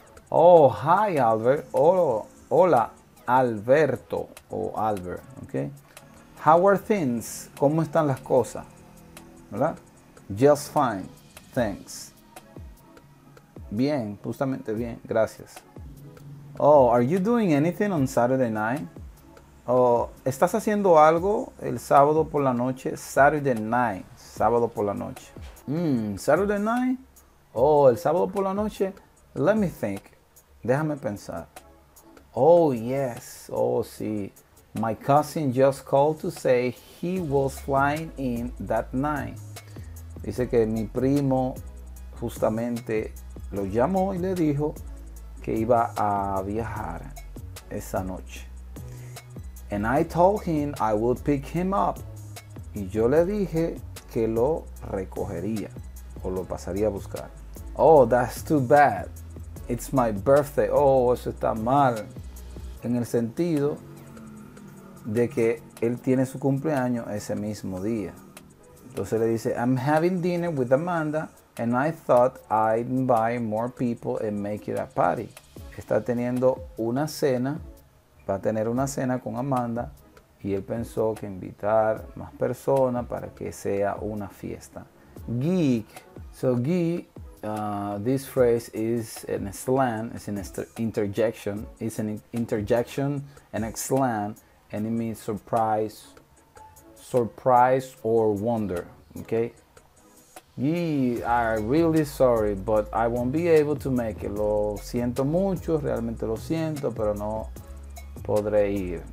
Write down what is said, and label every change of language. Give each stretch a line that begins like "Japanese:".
English: Oh, hi Albert.
Spanish: Oh, hola Alberto.
English: Oh, Albert, okay? How are things?
Spanish: ¿Cómo están las cosas? ¿Verdad?
English: Just fine. Thanks.
Spanish: Bien, justamente bien. Gracias.
English: Oh, are you doing anything on Saturday night?
Spanish: Oh, ¿estás haciendo algo el sábado por la noche?
English: Saturday night.
Spanish: Sábado por la noche.
English: Saturday night?
Spanish: Oh, el sábado por la noche?
English: Let me think.
Spanish: Déjame pensar.
English: Oh, yes.
Spanish: Oh, sí.
English: My cousin just called to say he was flying in that night.
Spanish: Dice que mi primo justamente lo llamó y le dijo que iba a viajar esa noche.
English: And I told him I would pick him up.
Spanish: Y yo le dije que lo recogería o lo pasaría a buscar.
English: Oh, that's too bad. It's my birthday.
Spanish: Oh, eso está mal. En el sentido de que él tiene su cumpleaños ese mismo día. Entonces le dice,
English: I'm having dinner with Amanda and I thought I'd invite more people and make it a party.
Spanish: Está teniendo una cena, va a tener una cena con Amanda y él pensó que invitar más personas para que sea una fiesta.
English: Geek. So geek, this phrase is an slang, it's an interjection. It's an interjection, an slang. And it means surprise or wonder, okay? Gee, I'm really sorry, but I won't be able to make it.
Spanish: Lo siento mucho, realmente lo siento, pero no podré ir.